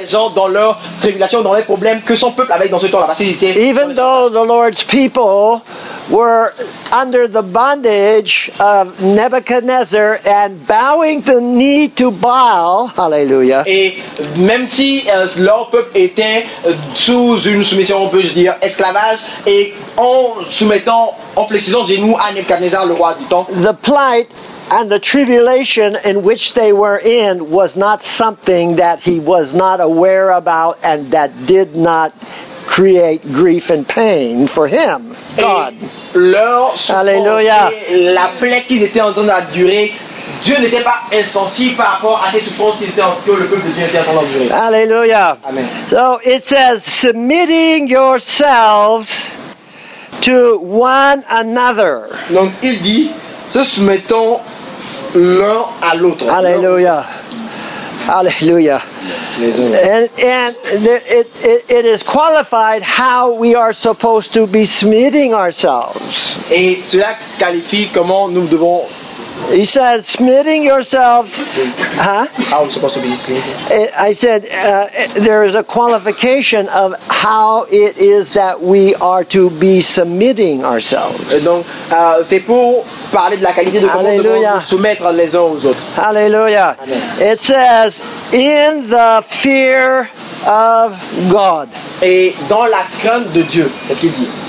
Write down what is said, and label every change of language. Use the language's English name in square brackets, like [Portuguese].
[French] les gens dans leur tribulation, dans les problèmes que son peuple avait dans ce temps là. [English] Even though the Lord's people were under the bondage of Nebuchadnezzar and bowing the knee to Baal, hallelujah. [French] Et même si leur peuple était sous une soumission, on peut dire esclavage, et en soumettant, en précisant genoux à Nebuchadnezzar, le roi du temps, [English] the plight and the tribulation in which they were in was not something that he was not aware about and that did not create grief and pain for him, God. [French] Alléluia. La plaie qu'ils étaient en train d'endurer, Dieu n'était pas insensible par rapport à ces souffrances qu'ils étaient en train de durer. Alléluia. Amen. [English] So it says, submitting yourselves to one another. [French] Donc il dit, se soumettons l'un à l'autre. Alléluia. Alléluia. [English] And it is qualified how we are supposed to be submitting ourselves. [French] Et cela qualifie comment nous devons. [English] He said, submitting yourselves. Huh? How we're supposed to be submitting. I said, there is a qualification of how it is that we are to be submitting ourselves. [French] Donc, c'est pour parler de la qualité de comment nous devons nous soumettre les uns aux autres. [English] Alléluia. It says, in the fear of God. [French] Et dans la crainte de Dieu, c'est ce qu'il dit.